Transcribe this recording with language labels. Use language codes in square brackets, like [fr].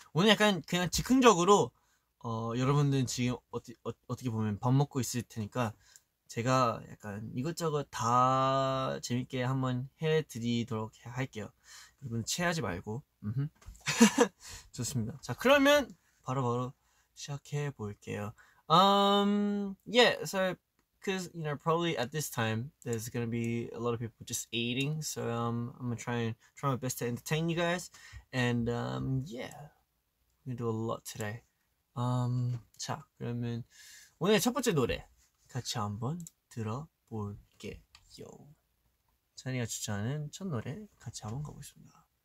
[ko] 오늘 약간 그냥 즉흥적으로 여러분들은 지금 어떻게 보면 밥 먹고 있을 테니까 제가 약간 이것저것 다 재밌게 한번 해드리도록 할게요. 여러분 체하지 말고. 좋습니다. 자, 그러면 바로 시작해 볼게요. [en] Yeah, so because you know probably at this time there's gonna be a lot of people just eating, so I'm gonna try my best to entertain you guys, and yeah, we're gonna do a lot today. [ko] 자, 그러면 오늘 첫 번째 노래 같이 한번 들어 볼게요. 찬이가 추천하는 첫 노래 같이 한번 가보겠습니다.